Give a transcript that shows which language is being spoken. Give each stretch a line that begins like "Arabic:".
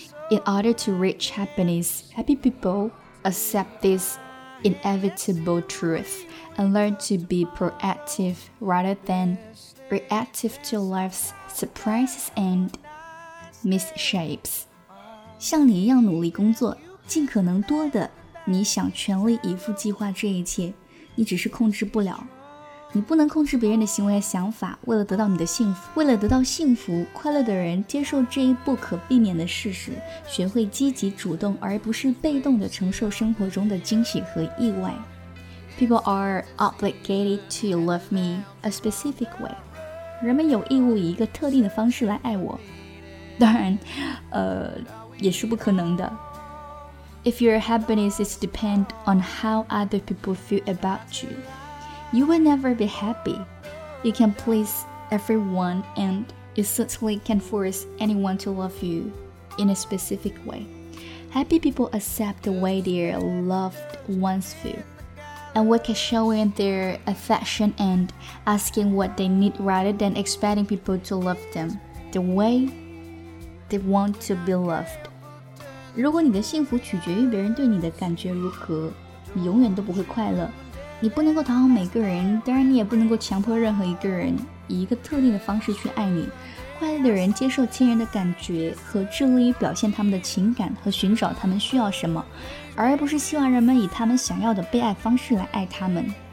English: In order to reach happiness, happy people accept this inevitable truth and learn to be proactive rather than reactive to life's surprises and misshapes.
Chinese: 像你一样努力工作，尽可能多的，你想全力以赴计划这一切，你只是控制不了。你不能控制别人的行为和想法，为了得到你的幸福，为了得到幸福，快乐的人接受这一不可避免的事实，学会积极主动而不是被动地承受生活中的惊喜和意外。
English: People are obligated to love me a specific way.
Chinese: 人们有义务以一个特定的方式来爱我。当然，也是不可能的。
English: If your happiness is depend on how other people feel about you,You will never be happy. You can please everyone, and you certainly can force anyone to love you in a specific way. Happy people accept the way their loved ones feel, and work at showing their affection and asking what they need rather than expecting people to love them the way they want to be loved.
Chinese: 如果你的幸福取决于别人对你的感觉如何，你永远都不会快乐。你不能够讨好每个人，当然你也不能够强迫任何一个人以一个特定的方式去爱你。快乐的人接受亲人的感觉和致力于表现他们的情感和寻找他们需要什么，而不是希望人们以他们想要的被爱方式来爱他们。